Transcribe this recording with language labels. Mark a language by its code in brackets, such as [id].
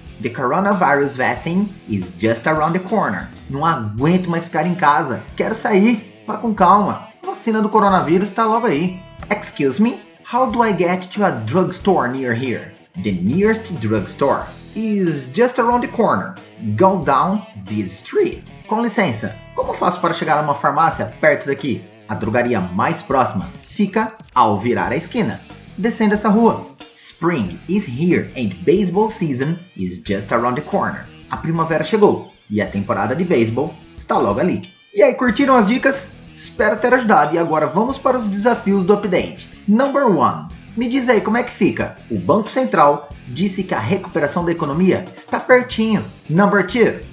[en] The coronavirus vaccine is just around the corner. [pt] Não aguento mais ficar em casa. Quero sair. Vá com calma. A vacina do coronavírus está logo aí. [en] Excuse me? How do I get to a drugstore near here? The nearest drugstore is just around the corner. Go down this street. [pt] Com licença, como faço para chegar a uma farmácia perto daqui? A drogaria mais próxima fica ao virar a esquina. Descendo essa rua. [en] Spring is here and baseball season is just around the corner. [pt] A primavera chegou e a temporada de baseball está logo ali. E aí, curtiram as dicas? Espero ter ajudado e agora vamos para os desafios do update. [en] Number 1. [pt] Me diz aí como é que fica. O Banco Central disse que a recuperação da economia está pertinho. [en] Number 2.